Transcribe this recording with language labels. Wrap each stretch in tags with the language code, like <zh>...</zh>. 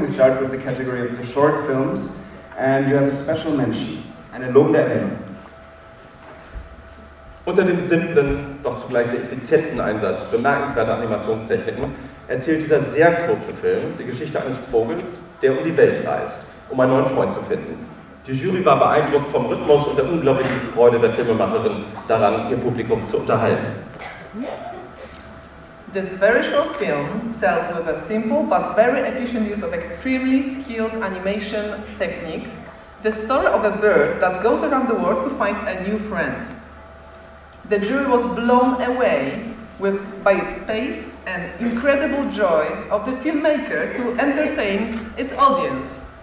<en>We start with the category of the short films. And you have a special mention,</en> <de>eine lobende Erwähnung. Unter dem simplen, doch zugleich sehr effizienten Einsatz bemerkenswerter Animationstechniken erzählt dieser sehr kurze Film die Geschichte eines Vogels, der um die Welt reist, um einen neuen Freund zu finden. Die Jury war beeindruckt vom Rhythmus und der unglaublichen Freude der Filmemacherin daran, ihr Publikum zu unterhalten.</de> <en>This very short film tells with a simple but very efficient use of extremely skilled animation technique the story of a bird that goes around the world to find a new friend. The jury was blown away by its pace and incredible joy of the filmmaker to entertain its audience.</en>